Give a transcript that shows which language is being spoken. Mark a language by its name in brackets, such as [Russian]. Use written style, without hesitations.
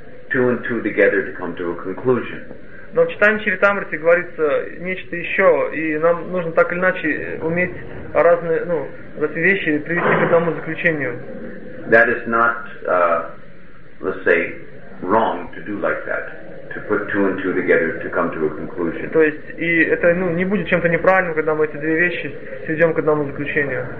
[English] two and two together to come to a conclusion. [Russian] Но в читании Чаритамриты говорится нечто еще, и нам нужно так или иначе уметь разные, ну, эти вещи привести к одному заключению. [English] That is not, let's say, wrong to do like that, to put two and two together to come to a conclusion. [Russian] То есть, и это, ну, не будет чем-то неправильным, когда мы эти две вещи сведем к одному заключению.